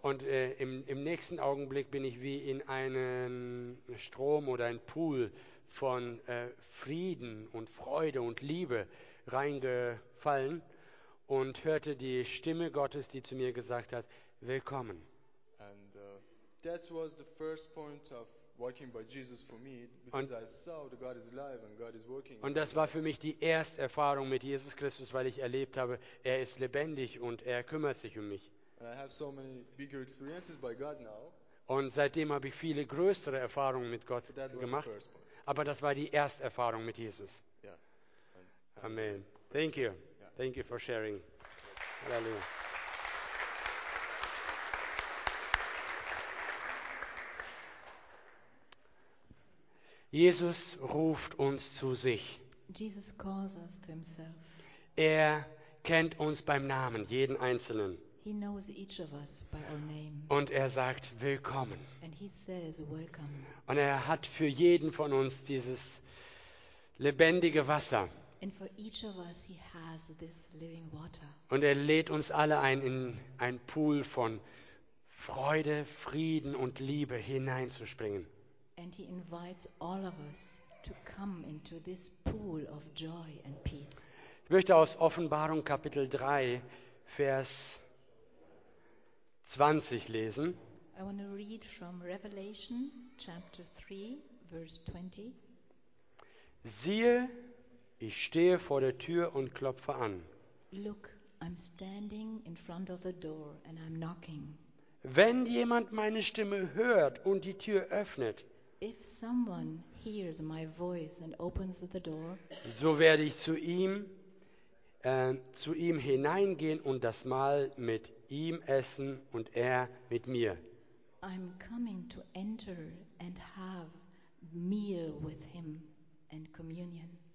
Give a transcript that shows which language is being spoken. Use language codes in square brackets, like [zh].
[de] Und im nächsten Augenblick bin ich wie in einen Strom oder ein Pool von Frieden und Freude und Liebe reingefallen. Und hörte die Stimme Gottes, die zu mir gesagt hat, willkommen. [en] And that was the first point of walking by Jesus for me, because I saw that God is alive and God is working. [de] Und das war für mich die erste Erfahrung mit Jesus Christus, weil ich erlebt habe, er ist lebendig und er kümmert sich um mich. [en] And I have so many bigger experiences by God now. [de] Und seitdem habe ich viele größere Erfahrungen mit Gott gemacht. Aber das war die Ersterfahrung mit Jesus. [en] Yeah. Amen. Thank you. Yeah. Thank you for sharing. Hallelujah. [de] Jesus ruft uns zu sich. [en] Jesus calls us to himself. [de] Er kennt uns beim Namen, jeden Einzelnen. [en] He knows each of us by our name. [de] Und er sagt, willkommen. [en] And he says, welcome. [de] Und er hat für jeden von uns dieses lebendige Wasser. [en] And for each of us he has this living water. [de] Und er lädt uns alle ein, in ein Pool von Freude, Frieden und Liebe hineinzuspringen. [en] And he invites all of us to come into this pool of joy and peace. [de] Ich möchte aus Offenbarung Kapitel 3, Vers 20 lesen. [en] I want to read from Revelation chapter 3, verse 20. [de] Siehe, ich stehe vor der Tür und klopfe an. [en] Look, I'm standing in front of the door and I'm knocking. [de] Wenn jemand meine Stimme hört und die Tür öffnet, [en] if someone hears my voice and opens the door, [de] so werde ich zu ihm hineingehen und das Mahl mit ihm essen und er mit mir. [en] I'm coming to enter and have meal with him and communion.